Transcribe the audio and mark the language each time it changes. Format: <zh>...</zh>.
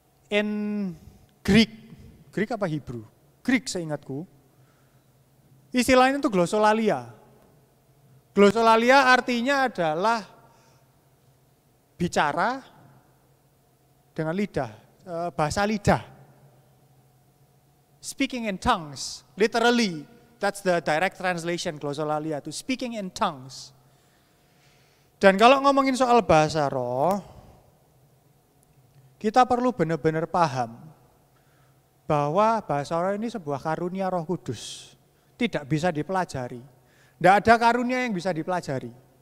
<en>In Greek, Greek</en> <id>apa</id> <en>Hebrew? Greek</en> <id>seingatku. Istilahnya itu glosolalia. Glosolalia artinya adalah bicara dengan lidah, bahasa lidah.</id> <en>Speaking in tongues, literally, that's the direct translation glosolalia, to speaking in tongues.</en> <id>Dan kalau ngomongin soal bahasa roh, kita perlu benar-benar paham bahwa bahasa roh ini sebuah karunia Roh Kudus. Tidak bisa dipelajari. Tidak ada karunia yang bisa dipelajari.</id>